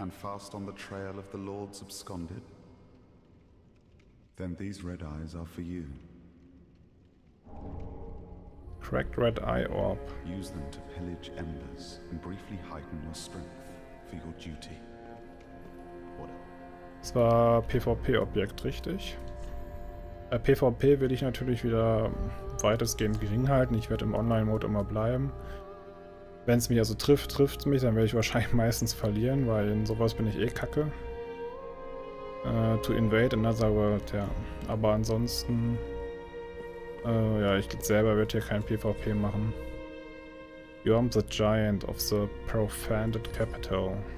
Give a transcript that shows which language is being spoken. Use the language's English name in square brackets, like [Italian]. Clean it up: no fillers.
[English] And fast on the trail of the Lords absconded? Then these red eyes are for you. Cracked red eye orb. Use them to pillage embers and briefly heighten your strength for your duty. [German] Es war PvP-Objekt, richtig? PvP will ich natürlich wieder weitestgehend gering halten. Ich werde im Online-Mode immer bleiben. Wenn es mich also trifft, trifft es mich. Dann werde ich wahrscheinlich meistens verlieren, weil in sowas bin ich eh kacke. [English] To invade another world, [German] ja. Aber ansonsten... ja, ich selber werde hier kein PvP machen. [English] You are the giant of the profaned capital.